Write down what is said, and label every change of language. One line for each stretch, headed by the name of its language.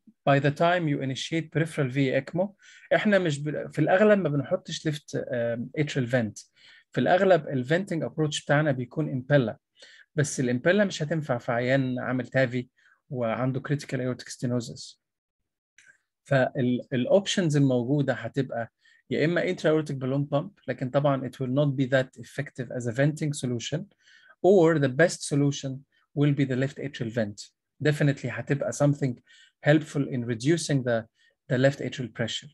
English: By the time you initiate peripheral V ECMO,
Arabic: احنا مش في الاغلب ما بنحطش
English: left atrial vent.
Arabic: في الاغلب ال venting approach بتاعنا بيكون impella. بس ال impella مش هتنفع في عيان عامل TAVI وعنده critical aortic stenosis.
English: فال options
Arabic: الموجودة هتبقى يا إما
English: intra-aortic balloon pump,
Arabic: لكن طبعا
English: it will not be that effective as a venting solution, or the best solution will be the left atrial vent. Definitely
Arabic: هتبقى
English: something helpful in reducing the left atrial pressure.